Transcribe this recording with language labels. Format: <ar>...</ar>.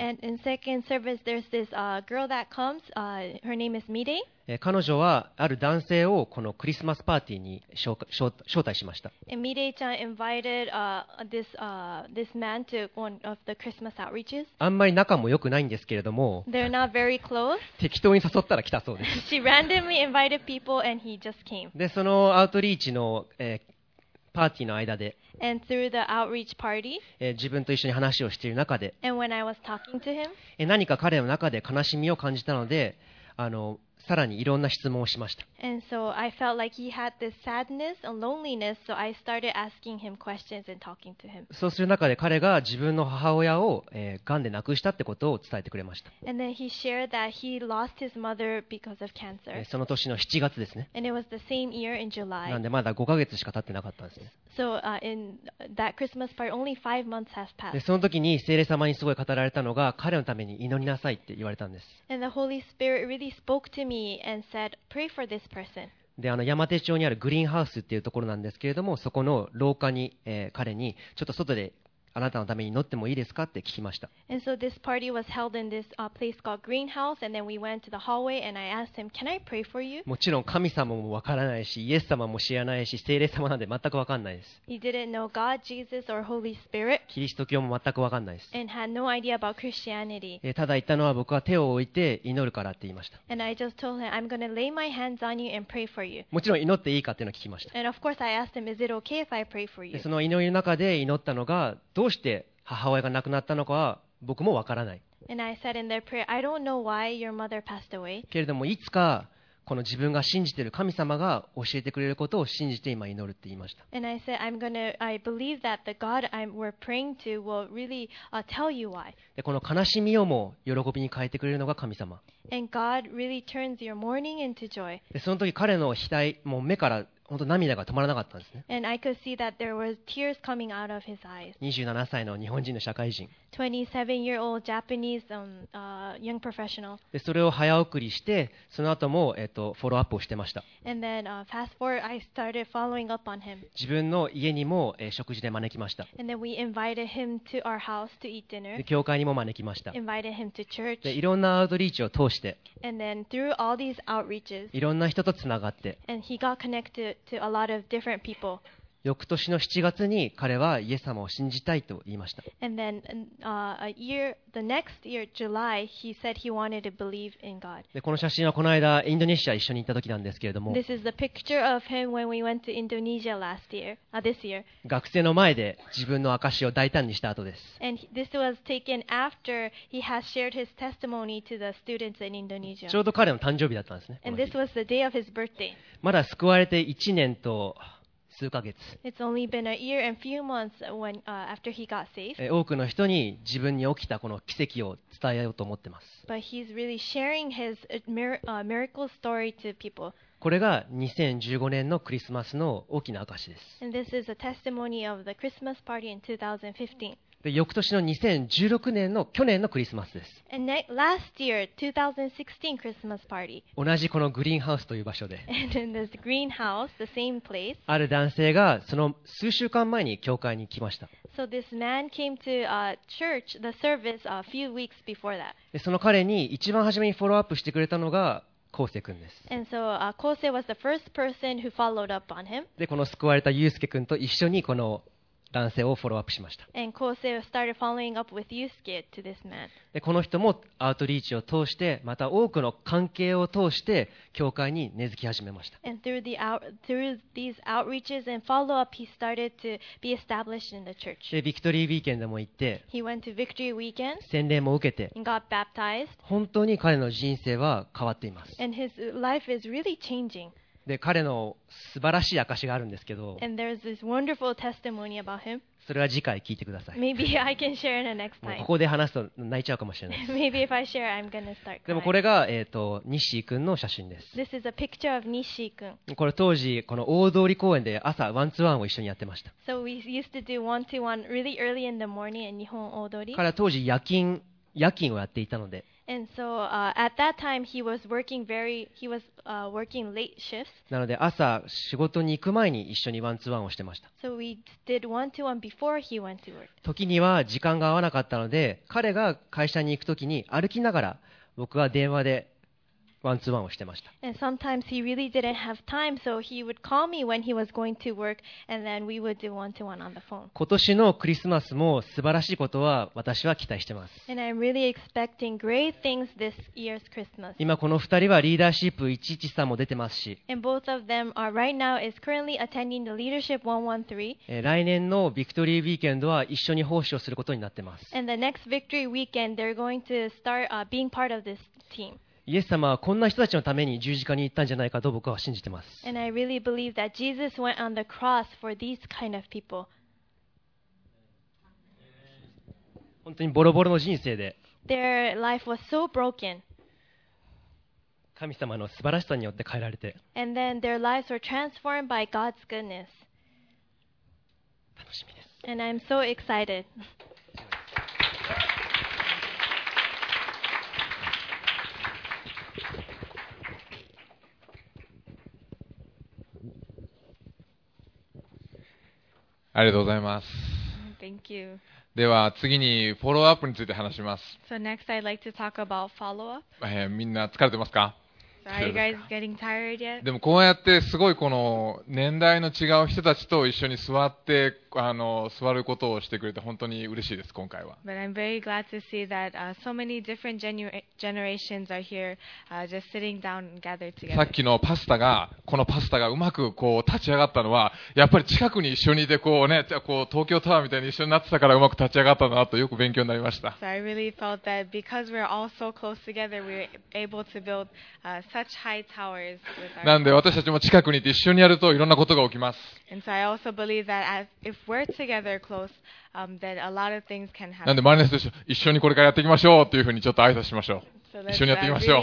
<en>And in second service, there's this, girl that comes, her name is Mirei.</en> <ja>彼女はある男性をこのクリスマスパーティーに招待しました。</ja> <en>And Mirei ちゃん invited, this man to one of the Christmas outreaches.</en> <ja>あんまり仲も良くないんですけれども、</ja> <en>They're not very close.</en> <ja>適当に誘ったら来たそうです。</ja> <en>She randomly invited people and he just came.</en> <ja>で、そのアウトリーチの、パーティーの間で、</ja> <en>And through the outreach party,</en> <ja>自分と一緒に話をしている中で、</ja> <en>And when I was talking to him,</en> <ja>何か彼の中で悲しみを感じたので、さらにいろんな質問をしました。</ja> <en>And so I felt like he had this sadness and loneliness, so I started asking him questions and talking to him.</en> <ja>そうする中で彼が自分の母親を、癌で亡くしたってことを伝えてくれました。</ja> <en>And then he shared that he lost his mother because of cancer.</en> <ja>その年の7月ですね。</ja> <en>And it was the same year in July.</en> <ja>なんでまだ5ヶ月しか経ってなかったんですね。</ja> <en>So, in that Christmas party, only five months has passed.</en> <ja>で、その時に聖霊様にすごい語られたのが、彼のために祈りなさいって言われたんです。</ja> <en>And the Holy Spirit really spoke to me and said, pray for this.</en> <ja>で、山手町にあるグリーンハウスっていうところなんですけれども、そこの廊下に、彼にちょっと外であなたのために乗ってもいいですかって聞きました。</ja> <en>And so this party was held in this place called Greenhouse, and then we went to the hallway and I asked him, "Can I pray for you?"</en> <ja>もちろん神様もわからないし、イエス様も知らないし、聖霊様なんて全くわかんないです。</ja> <en>He didn't know God, Jesus, or Holy Spirit.</en> <ja>キリスト教も全くわかんないです。</ja> <en>And had no idea about Christianity.</en> <ja>ただ言ったのは、僕は手を置いて祈るからって言いました。</ja> <en>And I just told him, "I'm going to lay my hands on you and pray for you."</en> <ja>もちろん祈っていいかっていうのを聞きました。</ja> <en>And of course, I asked him, "Is it okay if I pray for you?"</en> <ja>その祈りの中で祈ったのが、どうして母親が亡くなったのかは僕もわからない。</ja> <en>And I said in their prayer, I don't know why your mother passed away.</en> <ja>けれども、いつかこの自分が信じている神様が教えてくれることを信じて今祈るって言いました。</ja> <en>And I said, I'm gonna, I believe that the God I'm, we're praying to will really, tell you why.</en> <ja>で、この悲しみをも喜びに変えてくれるのが神様。</ja> <en>And God really turns your mourning into joy.</en> <ja>で、その時彼の額、もう目から本当涙が止まらなかったんですね。</ja> <en>And I could see that there was tears coming out of his eyes.</en> <ja>27歳の日本人の社会人。</ja> <en>27-year-old Japanese, young professional.</en> <ja>で、それを早送りして、その後も、フォローアップをしてました。</ja> <en>And then, fast forward, I started following up on him.</en> <ja>自分の家にも、食事で招きました。</ja> <en>And then we invited him to our house to eat dinner.</en> <ja>で、教会にも招きました。</ja> <en>Invited him to church.</en> <ja>で、いろんなアウトリーチを通して、</ja> <en>And then through all these outreaches,</en> <ja>いろんな人とつながって、</ja> <en>And he got connected to a lot of different people.</en> <ja>翌年の7月に彼はイエス様を信じたいと言いました。</ja> <en>And then, the next year, July, he said he wanted to believe in God.</en> <ja>で、この写真はこの間インドネシア一緒に行った時なんですけれども。</ja> <en>This is the picture of him when we went to Indonesia last year, this year.</en> <ja>学生の前で自分の証を大胆にした後です。</ja> <en>And this was taken after he has shared his testimony to the students in Indonesia.</en> <ja>ちょうど彼の誕生日だったんですね。</ja> <en>And this was the day of his birthday.</en> <ja>まだ救われて1年と数ヶ月。</ja> <en>It's only been a year and few months when, after he got saved.</en> <ja>多くの人に自分に起きたこの奇跡を伝えようと思ってます。</ja> <en>But he's really sharing his miracle story to people.</en> <ja>これが2015年のクリスマスの大きな証です。</ja> <en>And this is a testimony of the Christmas party in 2015.</en> <ja>で、翌年の2016年の去年のクリスマスです。</ja> <en>And last year, 2016 Christmas party.</en> <ja>同じこのグリーンハウスという場所で。</ja> <en>And in this green house, the same place.</en> <ja>ある男性がその数週間前に教会に来ました。</ja> <en>So this man came to church, the service, a few weeks before that.</en> <ja>で、その彼に一番初めにフォローアップしてくれたのが Kosei君です。</ja> <en>And so, Kosei was the first person who followed up on him.</en> <ja>で、この救われた Yusuke君と一緒にこの男性をフォローアップしました。</ja> <en>And Kosei started following up with Yusuke to this man.</en> <ja>で、この人もアウトリーチを通してまた多くの関係を通して教会に根付き始めました。</ja> <en>And through, through these outreaches and follow up, he started to be established in the church.</en> <ja>で、ビクトリーウィーケンでも行って</ja> <en>He went to Victory Weekend.</en> <ja>洗礼も受けて</ja> <en>And got baptized.</en> <ja>本当に彼の人生は変わっています。</ja> <en>And his life is really changing.</en> <ja>で、彼の素晴らしい証があるんですけど、</ja> <en>And there's this wonderful testimony about him.</en> <ja>それは次回聞いてください。</ja> <en>Maybe I can share in the next time.</en> <ja>ここで話すと泣いちゃうかもしれないです。</ja> <en>Maybe if I share, I'm gonna start crying.</en> <ja>でもこれが、ニッシー君の写真です。</ja> <en>This is a picture of ニッシー君。</en> <ja>これ当時この大通り公園で朝ワンツーワンを一緒にやってました。</ja> <en>So we used to do one to one really early in the morning in 日本大通り。</en> <ja>から当時夜勤をやっていたので。</ja> <en>And so, at that time, he was working very, he was, working late shifts.</en> <ja>なので朝仕事に行く前に一緒にワンツーワンをしてました。</ja> <en>So we did one to one before he went to work.</en> <ja>時には時間が合わなかったので、彼が会社に行く時に歩きながら僕は電話でワンツーワンをしてました。</ja> <en>And sometimes he really didn't have time, so he would call me when he was going to work, and then we would do one to one on the phone.</en> <ja>今年のクリスマスも素晴らしいことは私は期待してます。</ja> <en>And I'm really expecting great things this year's Christmas.</en> <ja>今この二人はリーダーシップ113も出てますし。</ja> <en>And both of them are right now is currently attending the leadership 113.</en> <ja>来年のビクトリーウィーケンドは一緒に奉仕をすることになってます。</ja> <en>And the next victory weekend, they're going to start being part of this team.</en> <ja>イエス様はこんな人たちのために十字架に行ったんじゃないかと僕は信じてます。</ja> <en>And I really believe that Jesus went on the cross for these kind of people.</en> <ja>本当にボロボロの人生で。</ja> <en>Their life was so broken.</en> <ja>神様の素晴らしさによって変えられて。</ja> <en>And then their lives were transformed by God's goodness.</en> <ja>楽しみです。</ja> <en>And I'm so excited.</en> <ja>ありがとうございます。</ja> <en>Thank you.</en> <ja>では次にフォローアップについて話します。</ja> <en>So next I'd like to talk about follow-up.</en> <ja>みんな疲れてますか？</ja> <en>So are you guys getting tired yet?</en> <ja>でもこうやってすごいこの年代の違う人たちと一緒に座って座ることをしてくれて本当に嬉しいです今回は。</ja> <en>But I'm very glad to see that、so many different generations are here、just sitting down and gathered together.</en> <ja>さっきのパスタがこのパスタがうまくこう立ち上がったのはやっぱり近くに一緒にいてこうねこう東京タワーみたいに一緒になってたからうまく立ち上がったなとよく勉強になりました。</ja> <en>So I really felt that because we're all so close together, we're able to build、such high towers.</en> <ja>なんで私たちも近くにいて一緒にやるといろんなことが起きます。</ja> <en>And so I also believe that as if we're together close,that a lot of things can happen.</en> <ja>なんで周りの人と一緒にこれからやっていきましょうっていうふうにちょっと挨拶しましょう。</ja> <en>So、</en> <ja>一緒にやっていきましょう。</ja>